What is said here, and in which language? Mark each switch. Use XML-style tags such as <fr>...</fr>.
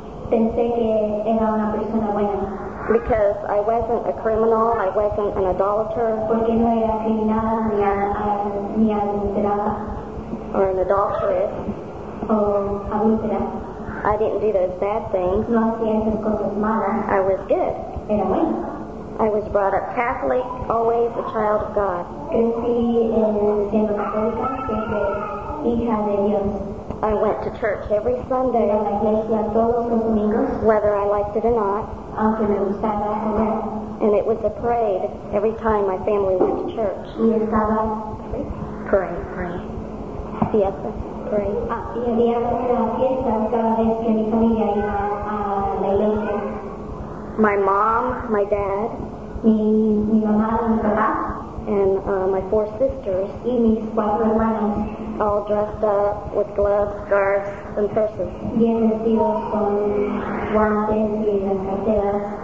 <es>Pensé que era una persona buena.</es> <en>Because I wasn't a criminal, I wasn't an idolater.</en> <es>Porque no era criminal ni adulterada.</es> <en>Or an adulteress.</en> <es>Oh, adultera.</es> <en>I didn't do those bad things.</en> <es>No hacía esas cosas malas.</es> <en>I was good.</en> <es>Era buena.</es> <en>I was brought up Catholic, always a child of God.</en> <es>Crecí siendo católica, siempre hija de Dios.</es> <en>I went to church every Sunday,</en> <es>a la iglesia todos los domingos,</es> <en>whether I liked it or not.</en> <es>Aunque me gustara o no.</es> <en>And it was a parade every time my family went to church.</en> <es>Y estaba</es> <en>parade. Yes, parade.</en> <es>Ah, y había una fiesta cada vez que mi familia iba a la iglesia.</es> <en>my mom, my dad,</en> <es>mi mamá,</es> <en>and my four sisters,</en> <es>y mis cuatro hermanos,</es> <en>all dressed up with gloves, scarves, and purses.</en> <es>Bien vestidos con guantes y carteras.</es>